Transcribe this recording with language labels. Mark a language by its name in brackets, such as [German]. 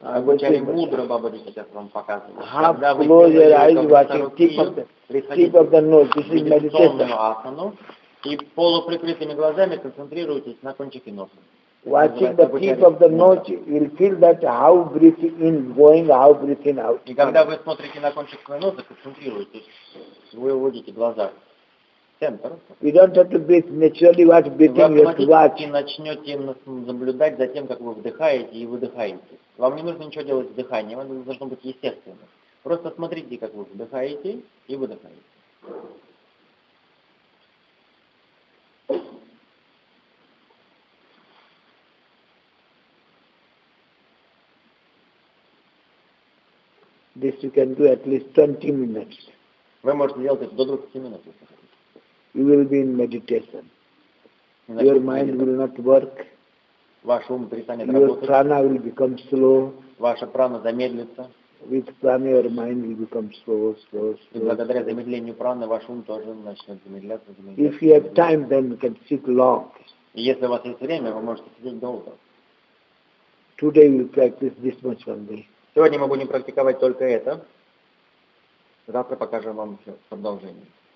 [Russian] Агочари Мудро, Бабаджи сейчас вам показывает. [English] Half close your eyes, watching tip of the nose. This is meditation. [Russian] И полуприкрытыми глазами концентрируйтесь на кончике носа. [English] Watching the tip of the nose, you'll feel that how breathing in going, how breathing out. [Russian] И когда вы смотрите на кончик своего носа, концентрируйтесь. Вы уводите глаза. [English] You don't have to breathe naturally, watch breathing, you have to watch. [Russian] Вы начнете наблюдать за тем, как вы вдыхаете и выдыхаете. Вам не нужно ничего делать с дыханием, это должно быть естественно. Просто смотрите, как вы вдыхаете и выдыхаете. [English] This you can do at least 20 minutes. [Russian] Вы можете делать это до 20 минут, если хотите. [English] You will be in meditation. Your mind will not work. [Russian] Ваш ум перестанет работать. [English] Your prana will become slow. [Russian] Ваша прана замедлится. [English] With prana your mind will become slow. [Russian] И благодаря замедлению праны ваш ум тоже начнет замедляться. [English] If you have time, then you can sit long. [Russian] Если у вас есть время, вы можете сидеть долго. [English] Today we practice this much only. [Russian] Сегодня мы будем практиковать только это. Завтра покажем вам все продолжение.